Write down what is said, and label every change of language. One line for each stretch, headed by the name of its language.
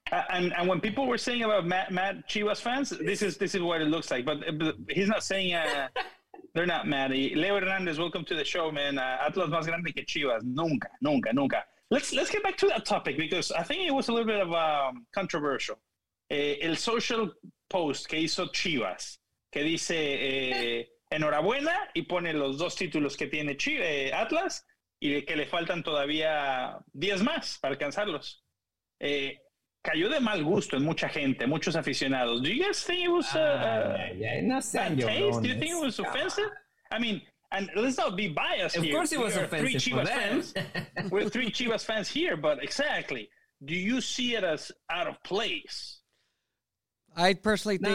English: and when people were saying about mad Chivas fans, this is what it looks like. But he's not saying they're not mad. Leo Hernandez, welcome to the show, man.
Spanish: Atlas más grande que Chivas, nunca.
English: Let's get back to that topic because I think it was a little bit of controversial.
Spanish: El social post que hizo Chivas que dice. Enhorabuena, y pone los dos títulos que tiene Atlas y que le faltan todavía 10 más para alcanzarlos. Cayó de mal gusto en mucha gente, muchos aficionados.
English: Do you guys think it was bad taste? Do you think it was offensive? I mean, and let's not be biased of here. Of course it was offensive three Chivas for them. Fans. We're three Chivas fans here, but exactly. Do you see it as out of place? I personally think